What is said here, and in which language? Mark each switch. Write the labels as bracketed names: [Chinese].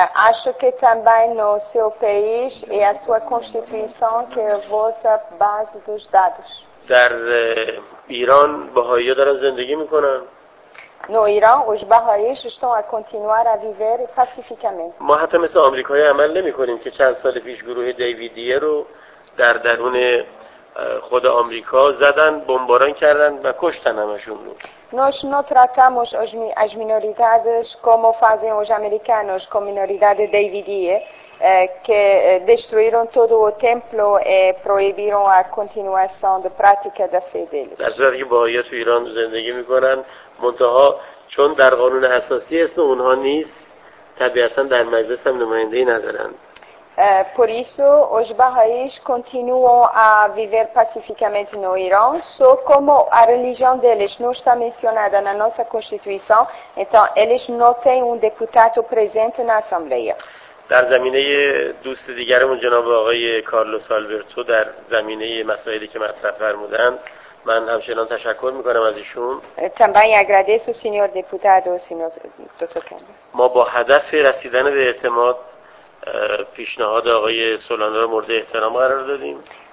[Portuguese] Acho que também no seu país e a sua constituição que é a vossa base dos dados. [Persian] در ایران بهائی‌ها دارن زندگی میکنن. [Portuguese] No Irã os bahá'ís estão a continuar a viver pacificamente. [Persian] ما حتی مثل آمریکایی عمل نمیکنیم که چند سال پیش گروه دیویدیه رو در درون خود آمریکا زدن، بمباران کردن و کشتن همشون رو. [Portuguese] Nós não tratamos as minoridades como fazem os americanos com a minoridade davidia, que destruíram todo o templo e proibiram a continuação da prática da fé deles. [Persian] در صورتی که باهائی‌ها تو ایران زندگی میکنن، منتها چون در قانون اساسی اسم اونها نیست، طبیعتا در مجلس هم نمایندهی ندارن. [Portuguese] Por isso, os bahá'ís continuam a viver pacificamente no Irã, só como a religião deles não está mencionada na nossa Constituição, então eles não têm um deputado presente na Assembleia. [Persian] در زمینه دوست دیگرمون جناب آقای کارلوس آلبرتو در زمینه مسائلی که مطرح فرمودن، من همچنان تشکر میکنم از ایشون. [Portuguese] Também agradeço, senhor deputado, senhor doutor Carlos. [Persian] ما با هدف رسیدن به اعتماد پیشنهاد آقای سولانو را مورد احترام قرار دادیم.